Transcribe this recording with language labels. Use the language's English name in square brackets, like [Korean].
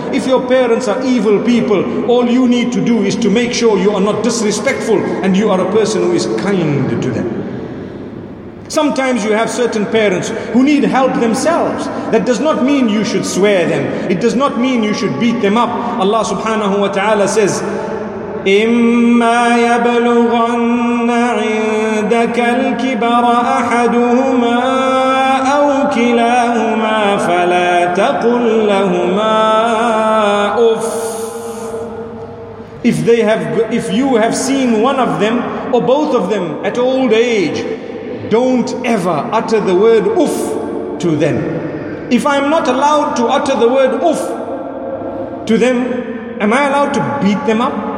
[English] If your parents are evil people, all you need to do is to make sure you are not disrespectful and you are a person who is kind to them. Sometimes you have certain parents who need help themselves. That does not mean you should swear them. It does not mean you should beat them up. Allah subhanahu wa ta'ala says, [Arabic] إِمَّا يَبْلُغَنَّ عِنْدَكَ الْكِبَرَ أَحَدُهُمَا أَوْ كِلَاهُمَا فَلَا تَقُلْ لَهُمَا أُفٍّ. [English] If you have seen one of them or both of them at old age, don't ever utter the word uff to them. If I'm not allowed to utter the word uff to them, am I allowed to beat them up?